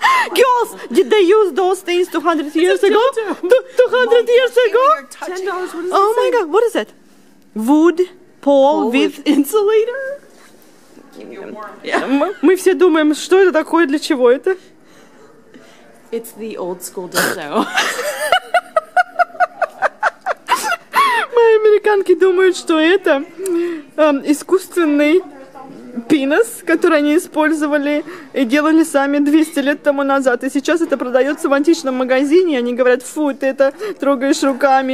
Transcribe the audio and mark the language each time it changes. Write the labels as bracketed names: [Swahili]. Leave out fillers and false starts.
[English] Girls, did they use those things 200 years ago? 200 years ago? $10, what is it? Oh my god, what is that? Wood pole with insulator? [Russian] Мы все думаем, что это такое, для чего это? [English] It's the old school dildo. [Russian] Мои американки думают, что это искусственный пенис, который они использовали и делали сами 200 лет тому назад. И сейчас это продается в античном магазине. Они говорят, фу, ты это трогаешь руками.